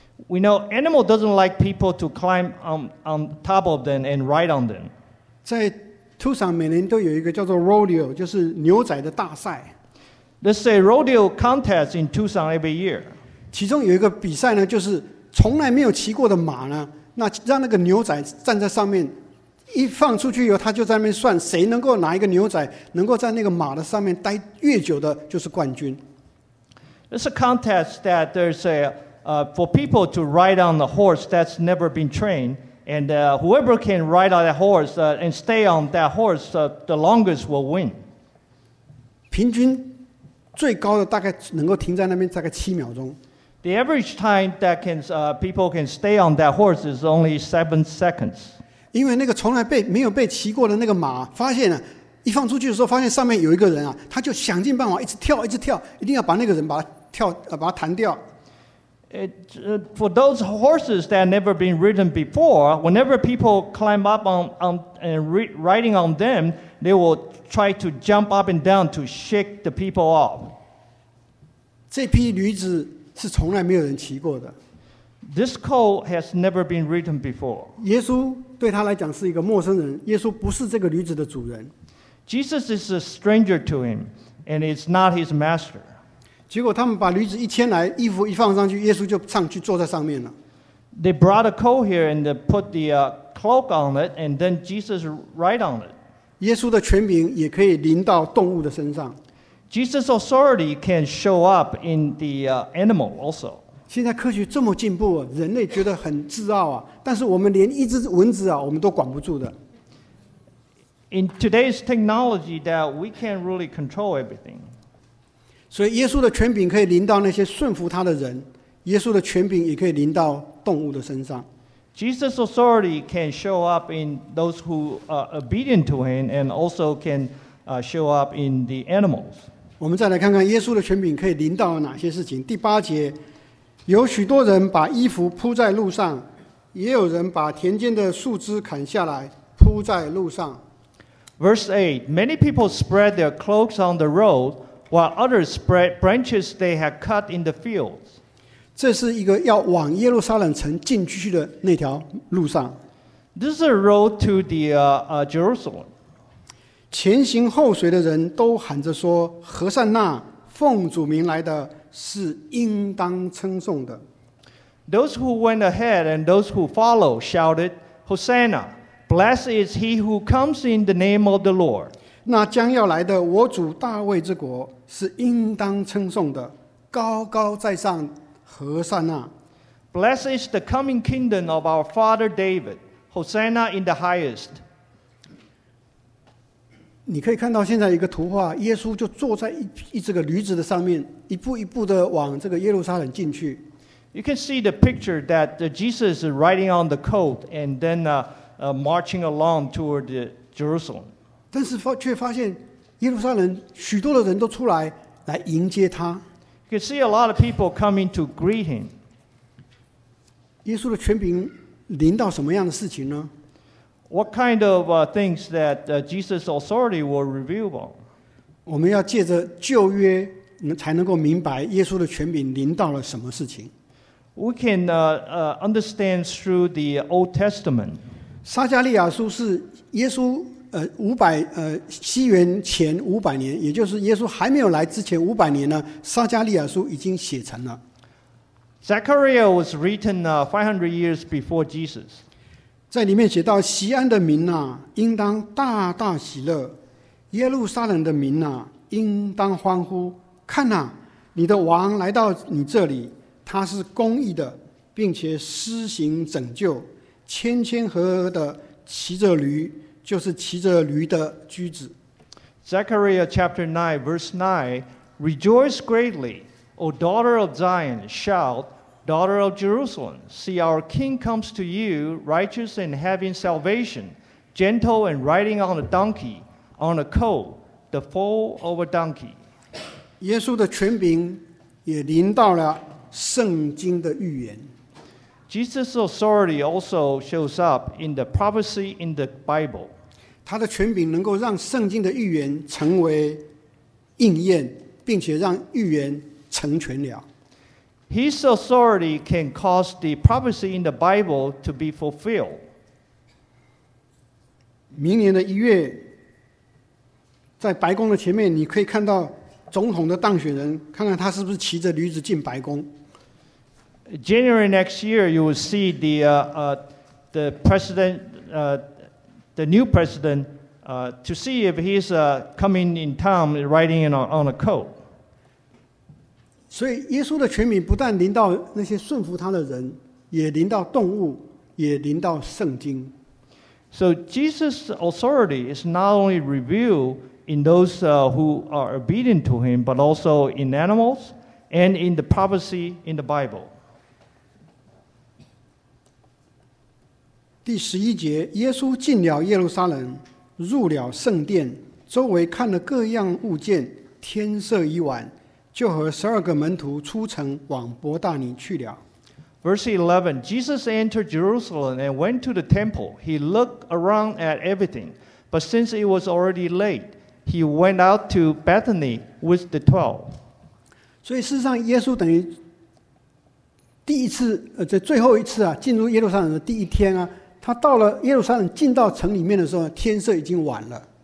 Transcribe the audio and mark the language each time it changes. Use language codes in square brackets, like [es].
[en] We know animal doesn't like people to climb on top of them and ride on them. [zh] 在 Tucson 每年都有一个叫做 rodeo， 就是牛仔的大赛。 [en] There's a rodeo contest in Tucson every year. [zh] 其中有一个比赛呢，就是从来没有骑过的马呢，那让那个牛仔站在上面，一放出去以后，他就在那边算谁能够拿一个牛仔能够在那个马的上面待越久的，就是冠军。 [en] It's a contest that there's a for people to ride on the horse that's never been trained, and whoever can ride on that horse and stay on that horse the longest will win. [zh] 平均最高的大概能够停在那边大概七秒钟。 [en] The average time that people can stay on that horse is only 7 seconds. [zh] 因为那个从来没有被骑过的那个马发现了。一放出去的时候，发现上面有一个人啊，他就想尽办法一直跳，一直跳，一定要把那个人把他弹掉。 [en] For those horses that had never been ridden before, whenever people climb up on and riding on them, they will try to jump up and down to shake the people off. [zh] 这匹驴子是从来没有人骑过的。 [en] This colt has never been ridden before. [zh] 耶稣对他来讲是一个陌生人，耶稣不是这个驴子的主人。 [en] Jesus is a stranger to him, and it's not his master. [zh] 结果他们把驴子一牵来，衣服一放上去，耶稣就上去坐在上面了。 [en] They brought a colt here and put the cloak on it, and then Jesus ride on it. [zh] 耶稣的权柄也可以临到动物的身上。 [en] Jesus' authority can show up in the animal also. [zh] 现在科学这么进步，人类觉得很自傲啊，但是我们连一只蚊子啊，我们都管不住的。 [en] In today's technology, that we can't really control everything. [zh] 所以耶稣的权柄可以临到那些顺服他的人，耶稣的权柄也可以临到动物的身上。 [en] Jesus' authority can show up in those who are obedient to him and also can show up in the animals. [zh] 我们再来看看耶稣的权柄可以临到哪些事情。第八节，有许多人把衣服铺在路上，也有人把田间的树枝砍下来铺在路上。 [en] Verse 8, many people spread their cloaks on the road, while others spread branches they had cut in the fields. [zh] 这是一个要往耶路撒冷城进去的那条路上。 [en] This is a road to the Jerusalem. [zh] 前行后随的人都喊着说，何善那，奉主名来的，是应当称颂的。 [en] Those who went ahead and those who followed shouted, Hosanna! Blessed is he who comes in the name of the Lord. [zh] 那将要来的我主大卫之国是应当称颂的，高高在上，何善那。 [en] Blessed is the coming kingdom of our father David. Hosanna in the highest. [zh] 你可以看到现在一个图画，耶稣就坐在这个驴子的上面，一步一步的往这个耶路撒冷进去。 [en] You can see the picture that Jesus is riding on the colt and then marching along toward the Jerusalem. [zh] 但是却发现耶路撒冷许多的人都出来来迎接他。 [en] You can see a lot of people coming to greet him. [zh] 耶稣的权柄临到什么样的事情呢？ [en] What kind of things that Jesus' authority will reveal on? [zh] 我们要借着旧约才能够明白耶稣的权柄临到了什么事情。 [en] We can understand through the Old Testament. [zh] 撒迦利亚书是耶稣西元前五百年，也就是耶稣还没有来之前五百年呢，撒迦利亚书已经写成了。 [en] Zechariah was written 500 years before Jesus. [zh] 在里面写到，锡安的民啊，应当大大喜乐；耶路撒冷的民啊，应当欢呼。看啊，你的王来到你这里，他是公义的，并且施行拯救，谦谦和和的骑着驴，就是骑着驴的驹子。 [en] Zechariah chapter 9 verse 9, Rejoice greatly, O daughter of Zion, shout, daughter of Jerusalem, see our king comes to you, righteous and having salvation, gentle and riding on a donkey, on a colt, the foal of a donkey. [zh] 耶稣的权柄也临到了圣经的预言。 [en] Jesus' authority also shows up in the prophecy in the Bible. [zh] 他的权柄能够让圣经的预言成为应验，并且让预言成全了。 [en] His authority can cause the prophecy in the Bible to be fulfilled. [zh] 明年的一月，在白宫的前面，你可以看到总统的当选人，看看他是不是骑着驴子进白宫。 [en] January next year, you will see the president, the new president, to see if he's coming in town, riding on a colt. [zh] 所以耶稣的权柄不但临到那些顺服他的人，也临到动物，也临到圣经。 [en] So Jesus' authority is not only revealed in those who are obedient to him, but also in animals and in the prophecy in the Bible. [zh] 第十一节，耶稣进了耶路撒冷，入了圣殿，周围看了各样物件，天色已晚，就和十二个门徒出城往伯大尼去了。 [en] Verse 11, Jesus entered Jerusalem and went to the temple. He looked around at everything, but since it was already late, he went out to Bethany with the 12. [zh] 所以事实上耶稣等于第一次最后一次进入耶路撒冷的第一天他到了耶路撒冷进到城里面的时候天色已经晚了。